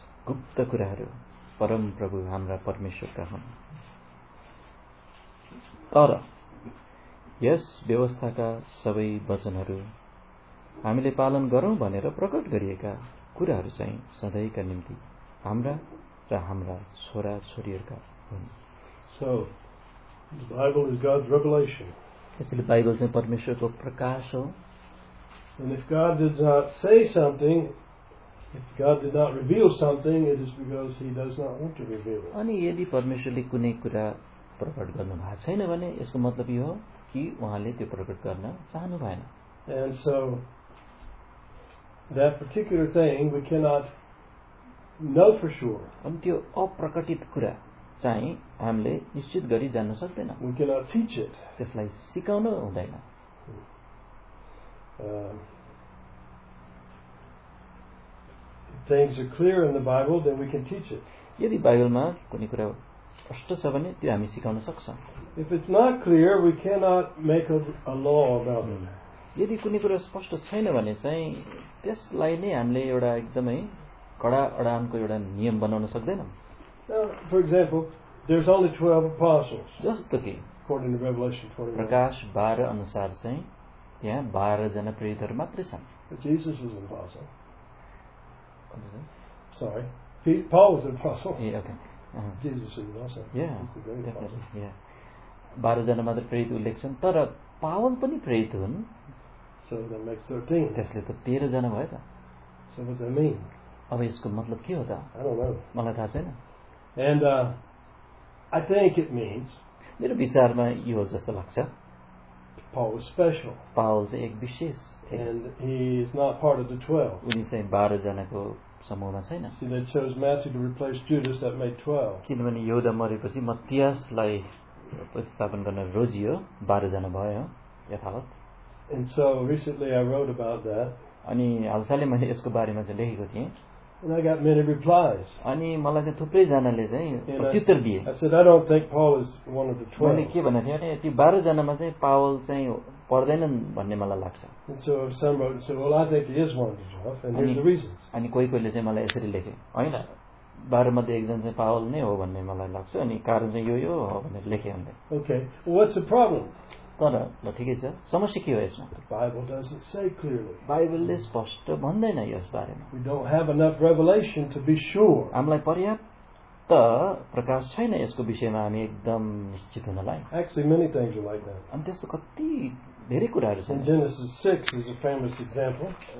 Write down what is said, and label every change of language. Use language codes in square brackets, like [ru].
[ne] गुप्त कुराहरू परम प्रभु हाम्रा परमेश्वरका हुन्, तर यस व्यवस्थाका सबै वचनहरू हामीले पालन गरौँ भनेर प्रकट गरिएका कुराहरू चाहिँ सधैँका निम्ति हाम्रा र हाम्रा छोरा छोरीहरूका हुन्. [en] So, the Bible is God's revelation. [ne] यसले बाइबल चाहिँ परमेश्वरको प्रकाश हो. [en] And if God did not say something, if God did not reveal something, it is because he does not want to reveal it. [ne] अनि यदि परमेश्वरले कुनै कुरा प्रकट गर्नु भएको छैन भने यसको मतलब यो हो कि उहाँले त्यो प्रकट गर्न चाहनु भएन. [en] And so that particular thing we cannot know for sure. [ne] अनि त्यो अप्रकटित कुरा चाहिँ हामीले निश्चित गरी जान्न सक्दैन. [en] We cannot teach it. [ne] त्यसलाई सिकाउन हुँदैन. [en] Things are clear in the Bible, then we can teach it. [ne] यदि बाइबलमा कुनै कुरा स्पष्ट छ भने त्यो हामी सिकाउन सक्छौँ. [en] If it's not clear, we cannot make a law about it. [ne] यदि कुनै कुरा स्पष्ट छैन भने चाहिँ त्यसलाई नै हामीले एउटा एकदमै कडा अडानको एउटा नियम बनाउन सक्दैनौँ. [en] For example, there's only 12 apostles. [ne] जस्तो कि [en] according to Revelation 21. [ne] प्रकाश 12 अनुसार चाहिँ त्यहाँ 12 जना प्रेरितहरू मात्रै छन्. [en] Jesus was an apostle. Sorry. Paul was an apostle. Yeah, okay. Jesus was an apostle. Yeah, definitely. Yeah. [ne] 12 जना मात्र प्रेरित उल्लेख छन्, तर पावल पनि प्रेरित हुन्. [en] So that makes 13. [ne] त्यसले त 13 जना भयो त. [en] So what does that mean? [ne] अब यसको मतलब के हो त? [en] I don't know. [ne] मलाई थाहा छैन. [en] And I think it means, [ne] मेरो विचारमा यो जस्तो लाग्छ, [en] Paul was special. [ne] Paul चाहिँ एक विशेष. [en] And he is not part of the 12. [ne] उनी चाहिँ 12 जनाको समूहमा छैन. [en] See, they chose Matthew to replace Judas, that made 12. [ne] किनभने युदा मरेपछि मत्तियासलाई प्रतिस्थापन गर्न रोजियो, 12 जना भयो यथावत. [en] And so recently I wrote about that. [ne] अनि हालसालै मैले यसको बारेमा चाहिँ लेखेको थिएँ. [en] And I got many replies. [ne] अनि मलाई चाहिँ थुप्रै जनाले चाहिँ प्रत्युत्तर दिए. [en] I said, I don't think Paul is one of the 12. [ne] मैले के भनेको थिएँ अनि त्यो 12 जनामा चाहिँ पावल चाहिँ पर्दैनन् भन्ने मलाई लाग्छ. [en] So some wrote, so, well, I think he is one of the 12, and here's the reasons. [ne] अनि कोही कोहीले चाहिँ मलाई यसरी लेखे, होइन, 12 मध्ये एकजना चाहिँ पावल नै हो भन्ने मलाई लाग्छ, अनि कारण चाहिँ यो हो भनेर लेखे अन्त. [en] Okay, what's the problem? [ne] तर ल ठिकै छ, समस्या के हो यसमा? [en] Bible doesn't say clearly. [ne] बाइबलले स्पष्ट भन्दैन यस बारेमा. [en] We don't have enough revelation to be sure. [ne] हामीलाई पर्याप्त त प्रकाश छैन यसको विषयमा हामी एकदम निश्चित हुनलाई. [en] Actually, many things are like that. [ne] अनि त्यस्तो कति धेरै कुराहरू छन्. [en] Genesis 6 is a famous example.